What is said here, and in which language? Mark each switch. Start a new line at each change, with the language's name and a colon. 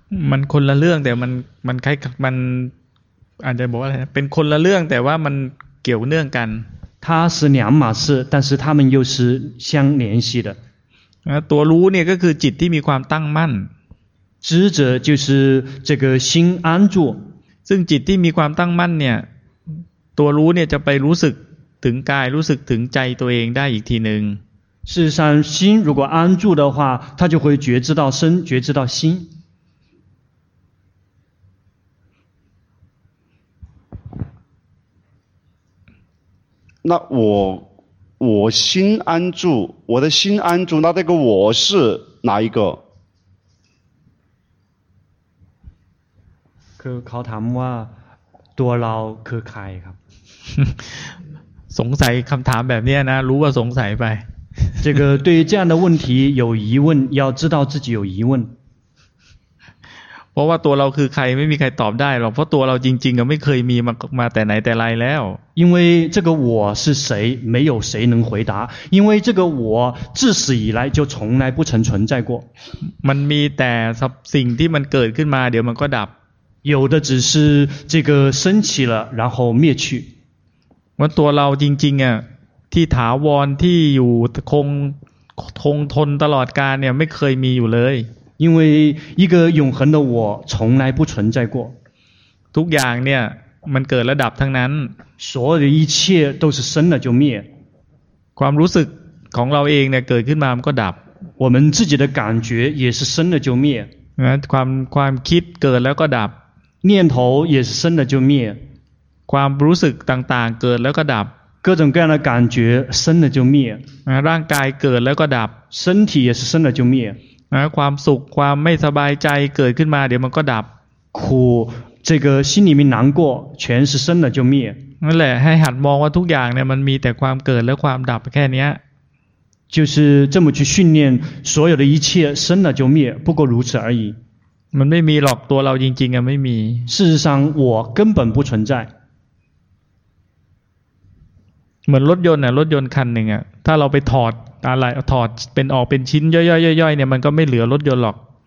Thai: มันคนละเรื่องแต่มันคล้ายมันอาจจะบอกอะไรเป็นคนละเรื่องแต่ว่ามันเกี่ยวเนื่องกัน
Chinese: 它是两码事但是它们又是相联系的
Thai: ตัวรู้เนี่ยก็คือจิตที่มีความตั้งมั่น
Chinese: 执着就是这个心安住
Thai: ซึ่งจิตที่มีความตั้งมั่นเนี่ยตัวรู้เนี่ยจะไปรู้สึกถึงกายรู้สึกถึงใจตัวเองได้อีกทีนึง
Chinese: 事实上心如果安住的话它就会觉知到身觉知到心那我心安住我的心安住那这个我是哪一个
Thai: คือเขาถามว่าตัวเราคือใครครับ สงสัยคำถามแบบนี้นะรู้ว่าสงสัยไป
Chinese: 这个对于这样的问题有疑问要知道自己有疑问
Thai: เพราะว่าตัวเราคือใครไม่มีใครตอบได้หรอกเพราะตัวเราจริงๆก็ไม่เคยมีมาแต่ไหนแต่ไรแล้ว
Chinese: 因为这个我是谁没有谁能回答因为这个我自始以来就从来不曾存在过
Thai: มันมีแต่สิ่งที่มันเกิดขึ้นมาเดี๋ยวมันก็ดับ
Chinese: 有的只是这个升起了然后灭去
Thai: ว่าตัวเราจริงๆอ่ะที่ถาวรที่อยู่คงทนตลอดกาลเนี่ยไม่เคยมีอยู่เลย
Chinese: 因为一个永恒的我从来不存在过
Thai: ทุกอย่างเนี่ยมันเกิดระดับทั้งนั้น
Chinese: 所有的一切都是生了就灭
Thai: ความรู้สึกของเราเองเนี่ยเกิดขึ้นมามันก็ดับ
Chinese: 我们自己的感觉也是生了就灭
Thai: ความคิดเกิดแล้วก็ดับ
Chinese: 念头也是生了就灭
Thai: ความรู้สึกต่างๆเกิดแล้วก็ดับ
Chinese: 各种各样的感觉生了就灭
Thai: ร่างกายเกิดแล้วก็ดับ
Chinese: 身体也是生了就灭
Thai: ความสุขความไม่สบายใจเกิดขึ้นมาเดี๋ยวมันก็ดับ
Chinese: 苦这个心里面难过全是生了就灭
Thai: นั่นแหละให้หัดมองว่าทุกอย่างเนี่ยมันมีแต่ความเกิดและความดับแค่นี้
Chinese: 就是这么去训练所有的一切生了就灭不过如此而已
Thai: มันไม่มีหรอกตัวเราจริงๆอ่ะไม่มี
Chinese: 事实上我根本不存在
Thai: เหมือนรถยนต์อ่ะรถยนต์คันนึงอ่ะถ้าเราไปถอดอะไรถอดเป็นออกเป็นชิ้นย่อยๆๆเนี่ยมันก็ไม่เหลือรถยนต์หรอก